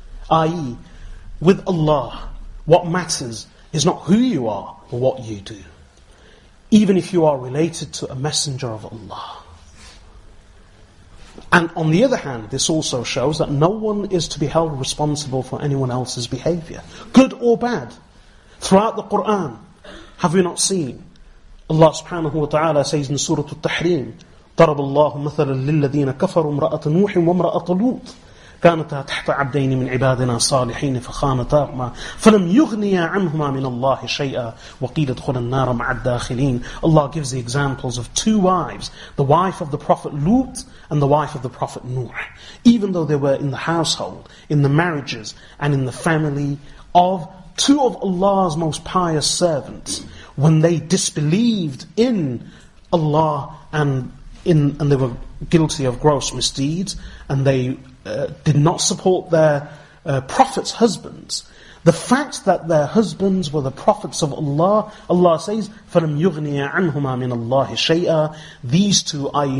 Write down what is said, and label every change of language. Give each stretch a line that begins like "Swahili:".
English: I.e., with Allah, what matters is not who you are, but what you do. Even if you are related to a messenger of Allah. And on the other hand, this also shows that no one is to be held responsible for anyone else's behavior, good or bad. Throughout the Quran, have we not seen Allah subhanahu wa ta'ala says in Surah Al-Tahrim,
Arabic: ضَرَبَ اللَّهُ مَثَلًا لِلَّذِينَ كَفَرُوا امْرَأَةَ نُوحٍ وَامْرَأَةَ لُوطٍ كَانَتَا تَحْتَ عَبْدَيْنِ مِنْ عِبَادِنَا صَالِحِينَ فَخَانَتَاهُمَا فَلَمْ يُغْنِيَا عَنْهُمَا مِنَ اللَّهِ شَيْئًا وَقِيلَ ادْخُلَا النَّارَ مَعَ الدَّاخِلِينَ.
English: Allah gives the examples of two wives, the wife of the Prophet Lut and the wife of the Prophet Nuh. Even though they were in the household, in the marriages, and in the family of two of Allah's most pious servants, when they disbelieved in Allah and they were guilty of gross misdeeds, and they did not support their prophet's husbands, the fact that their husbands were the prophets of Allah, Allah says,
Arabic: فَلَمْ يُغْنِيَ عَنْهُمَا مِنَ اللَّهِ شَيْئًا.
English: These two, i.e.